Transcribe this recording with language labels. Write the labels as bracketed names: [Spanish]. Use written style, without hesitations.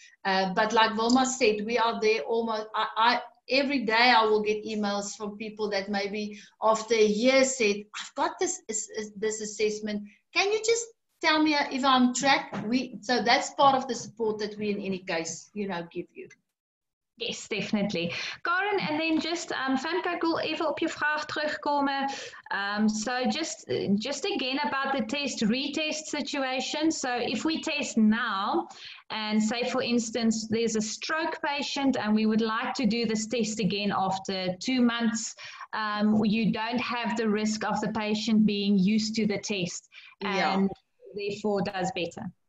[English] But like Wilma said, we are there almost. Every day I will get emails from people that maybe after a year said, I've got this assessment. Can you just tell me if I'm track? So that's part of the support that we in any case, you know, give you. Yes, definitely. [Dutch] Karen, [English] and then just [Dutch] Femke, ik wil even op je vraag terugkomen. [English] So just again about the test retest situation. So if we test now, and say for instance there's a stroke patient and we would like to do this test again after 2 months, you don't have the risk of the patient being used to the test and therefore does better.